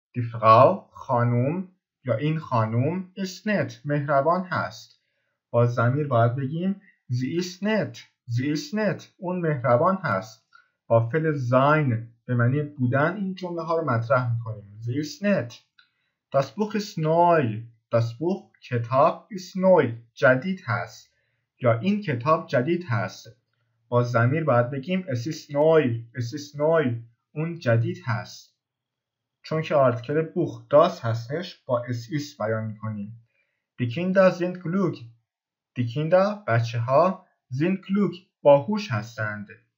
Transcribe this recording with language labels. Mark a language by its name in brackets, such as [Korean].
[German] Die Frau [Persian] خانوم یا این خانوم [German] ist nett. [Persian] مهربان هست. با ضمیر باید بگیم [German] sie ist nett. Sie ist nett. [Persian] اون مهربان هست. با فعل sein به معنی بودن این جمله ها رو مطرح میکنیم. [German] Sie ist nett. Das Buch ist neu. Das Buch, کتاب, ist neu. [Persian] جدید هست. یا این کتاب جدید هست. با ضمیر باید بگیم [German] es ist neu. Es ist neu. [Persian] اون جدید هست. چون که آرتیکل بوخ داس هستش با es ist بیان میکنیم. [German] Die Kinder sind klug. Die Kinder, بچه ها, sind klug, [Persian] باهوش هستند.